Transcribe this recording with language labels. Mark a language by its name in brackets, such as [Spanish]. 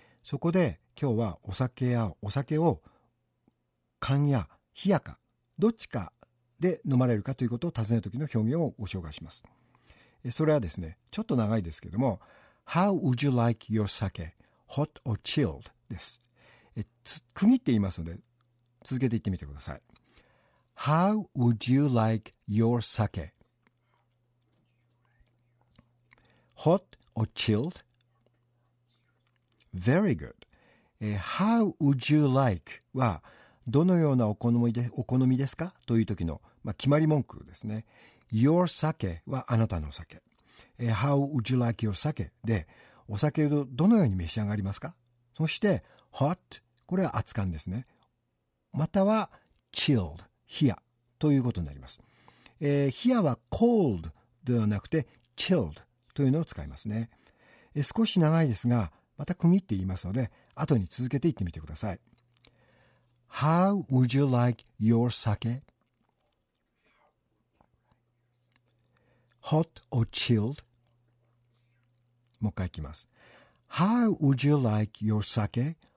[Japanese] そこで今日はお酒を缶や冷やかどっちかで飲まれるかということを尋ねるときの表現をご紹介します。それはですね、ちょっと長いですけども、 [English] How would you like your sake? Hot or chilled? [Japanese] です。区切って言いますので続けて言ってみてください。 [English] How would you like your sake? Hot or chilled? Very good. How would you like? [Japanese] はどのようなお好みですかという時の、まあ、決まり文句ですね。 [English] Your sake [Japanese] はあなたのお酒。 [English] How would you like your sake? [Japanese] で、お酒をどのように召し上がりますか?そして、hot、これは熱燗ですね。または、chilled、冷やということになります。冷やは cold ではなくて、chilled というのを使いますね。少し長いですが、また区切って言いますので、後に続けて言ってみてください。 [English] How would you like your sake? Hot or chilled? [Japanese] もう一回いきます。 [English] How would you like your sake?